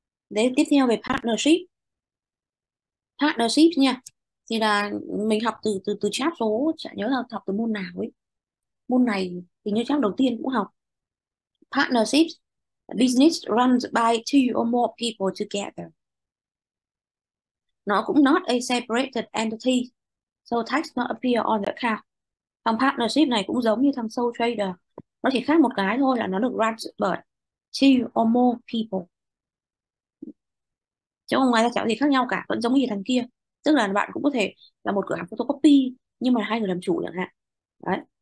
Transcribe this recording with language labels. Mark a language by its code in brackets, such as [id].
[vi] Đấy, tiếp theo về partnership, partnership nha, thì là mình học từ từ từ chat số, chả nhớ là học từ môn nào ấy, môn này thì như chắc đầu tiên cũng học. [en] Partnership, business runs by two or more people together, [vi] nó cũng [en] not a separated entity so tax not appear on the account. [vi] Thằng partnership này cũng giống như thằng sole trader, nó chỉ khác một cái thôi là nó được run bởi [en] two or more people, [vi] chứ ngoài ra chẳng gì khác nhau cả, vẫn giống như thằng kia, tức là bạn cũng có thể là một cửa hàng photocopy nhưng mà hai người làm chủ chẳng hạn đấy.